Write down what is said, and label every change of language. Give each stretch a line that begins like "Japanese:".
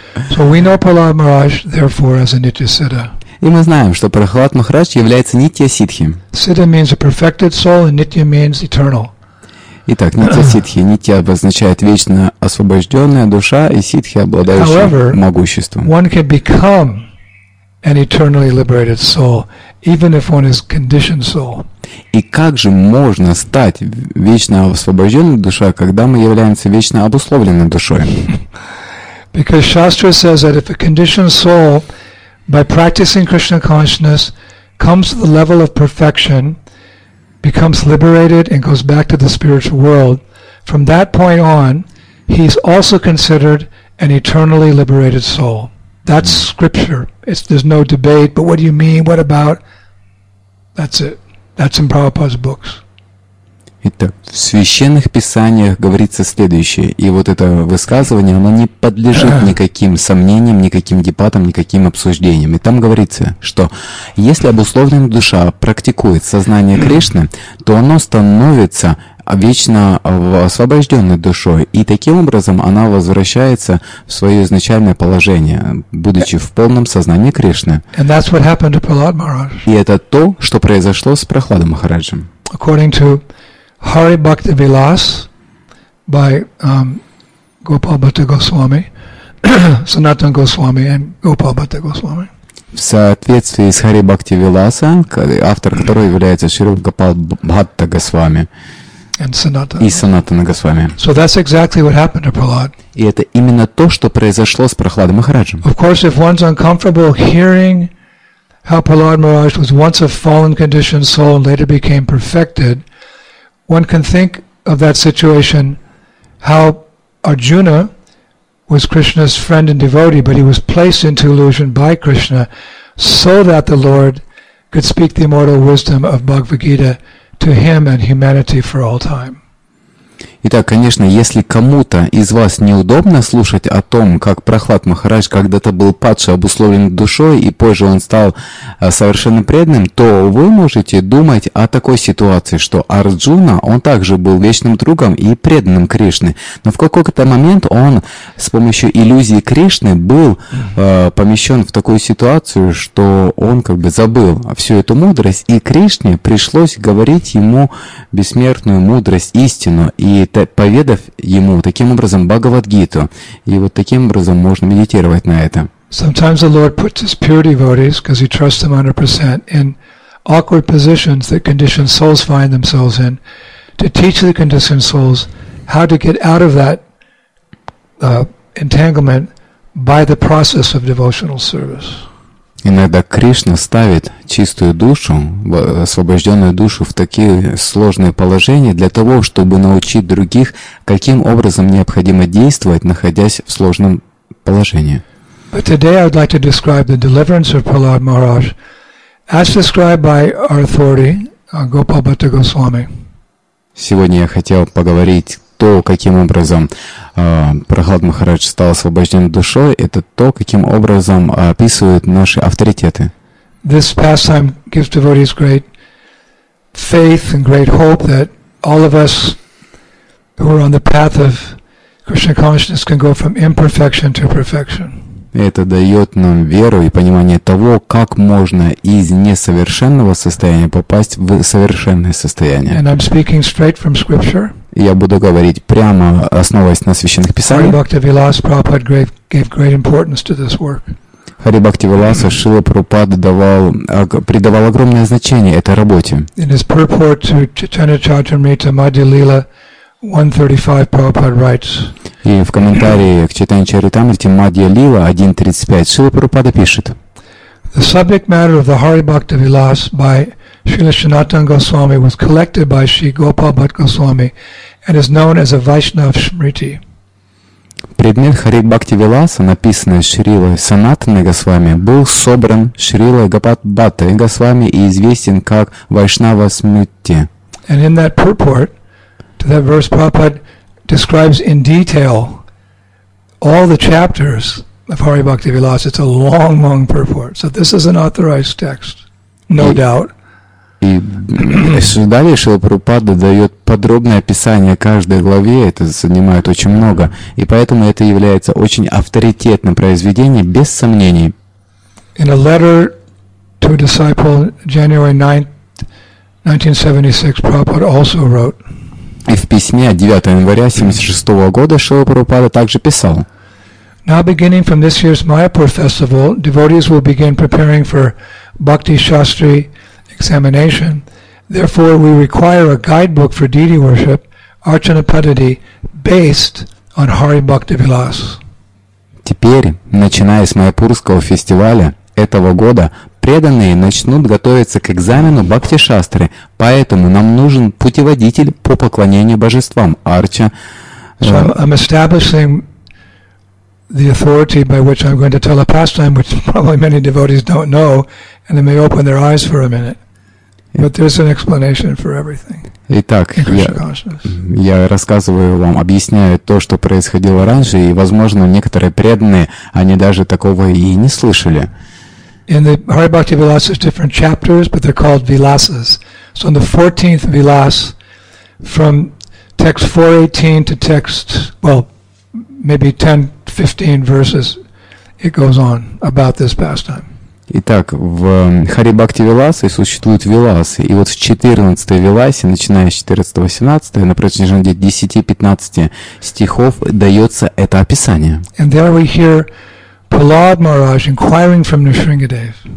English: So we know Prahlad Maharaj, therefore, as a Nitya Siddha.
Russian: И мы знаем, что Прохлад Махарадж является Нитья Сиддхи.
English: Siddha means a perfected soul, and Nitya means eternal.
Russian: Итак, Нитья Сиддхи. Нитья обозначает вечно освобожденная душа, и Сиддхи обладающая могуществом.
English: However, one can become an eternally liberated soul, even if one is conditioned soul.
Russian: И как же можно стать вечно освобожденной душой, когда мы являемся вечно обусловленной душой?
English: Because Shastra says that if a conditioned soul, by practicing Krishna consciousness, comes to the level of perfection, becomes liberated and goes back to the spiritual world, from that point on, he's also considered an eternally liberated soul. That's scripture. There's no debate, but what do you mean? What about? That's it. That's in Prabhupada's books.
Russian: Итак, в священных писаниях говорится следующее, и вот это высказывание, оно не подлежит никаким сомнениям, никаким дебатам, никаким обсуждениям. И там говорится, что если обусловленная душа практикует сознание Кришны, то оно становится вечно освобожденной душой, и таким образом она возвращается в свое изначальное положение, будучи в полном сознании Кришны.
English: And that's what happened to Prahlad Maharaj.
Russian: И это то, что произошло с Прохладом Махараджем.
English: According to Hari Bhakti Vilas by Gopal Bhatta Goswami, Sanatana Goswami and Gopal Bhatta Goswami.
Russian: В соответствии с Hari Bhakti Vilasa, автор которого является Шри Гопал Бхатта Госвами и Санатана Госвами.
English: So that's exactly what happened to Prahlad.
Russian: И это именно то, что произошло с Прохладом Махараджем.
English: Of course, if one's uncomfortable hearing how Prahlad Maharaj was once a fallen conditioned soul and later became perfected, one can think of that situation, how Arjuna was Krishna's friend and devotee, but he was placed into illusion by Krishna so that the Lord could speak the immortal wisdom of Bhagavad Gita to him and humanity for all time.
Russian: Итак, конечно, если кому-то из вас неудобно слушать о том, как Прохлад Махарадж когда-то был падше обусловлен душой, и позже он стал совершенно преданным, то вы можете думать о такой ситуации, что Арджуна, он также был вечным другом и преданным Кришны, но в какой-то момент он с помощью иллюзии Кришны был помещен в такую ситуацию, что он как бы забыл всю эту мудрость, и Кришне пришлось говорить ему бессмертную мудрость, истину, и поведав ему таким образом Бхагавад-гиту. И вот таким образом можно медитировать на это.
English: Sometimes the Lord puts his pure devotees, because he trusts them 100%, in awkward positions that conditioned souls find themselves in, to teach the conditioned souls how to get out of that entanglement by the process of devotional service.
Russian: Иногда Кришна ставит чистую душу, освобожденную душу в такие сложные положения для того, чтобы научить других, каким образом необходимо действовать, находясь в сложном положении.
English: But today I would like to describe the deliverance of Prahlad Maharaj as described by our authority, Gopal Bhatta Goswami.
Russian: Сегодня я хотел поговорить то, каким образом Прохлад Махарадж стал освобожден душой, это то, каким образом описывают наши авторитеты.
English: This pastime gives devotees great faith and great hope that all of us who are on the path of Krishna consciousness can go from imperfection to perfection.
Russian: Это дает нам веру и понимание того, как можно из несовершенного состояния попасть в совершенное состояние.
English: And I'm speaking straight from scripture.
Russian: Я буду говорить прямо, основываясь на священных писаниях. Хари Бхакти Виласа Шрила Прабхупада придавал огромное значение этой работе.
English: In his purport to Chaitanya Charitamrita Madhya Lila 1.35 Prabhupada writes.
Russian: И в комментарии к Чайтанья Чаритамрите Мадья Лила 1.35 Шрила Прабхупада пишет.
English: The subject matter of the Hari Bhakti Vilas by Srila Sanatana Goswami was collected by Sri Gopal Bhatta Goswami and is known as a Vaishnav Smriti.
Russian: Предмет Хари Бхакти Виласа, написанный Шрилой Санатаной Госвами, был собран Шрилой Гопабхаттой Госвами и известен как Вайшнава Смрити.
English: And in that purport to that verse, Prabhupada describes in detail all the chapters of Hari Bhakti Vilas. It's a long, long purport. So this is an authorized text, no doubt.
Russian: И далее Шрила Прабхупада дает подробное описание каждой главе, это занимает очень много, и поэтому это является очень авторитетным произведением, без сомнений.
English: In a letter to a disciple, January 9, 1976, Prabhupada also wrote.
Russian: И в письме 9 января 1976 года Шрила Прабхупада также писал.
English: Now beginning from this year's Mayapur festival, devotees will begin preparing for Bhakti Shastri examination. Therefore, we require a guidebook for deity worship, Archana Paddhati, based on Hari Bhakti Vilas.
Russian: Теперь, начиная с Майяпурского фестиваля этого года, преданные начнут готовиться к экзамену Бхакти Шастры. Поэтому нам нужен путеводитель по поклонению божествам, Арча.
English: So I'm establishing the authority by which I'm going to tell a pastime, which probably many devotees don't know, and they may open their eyes for a minute. But there's an explanation for everything.
Russian: Итак, я рассказываю вам, объясняю то, что происходило раньше, и, возможно, некоторые преданные, они даже такого и не слышали.
English: In the Hari Bhakti Vilas, there's different chapters, but they're called Vilasas. So in the 14th Vilas, from text 418 to text, well, maybe 10-15 verses, it goes on about this pastime.
Russian: Итак, в Хари Бхакти Виласе существуют виласы. И вот в 14-й виласе, начиная с 14-18, на протяжении 10-15 стихов, дается это описание.
English: And there we hear Prahlad Maharaj inquiring from Nrisingadev.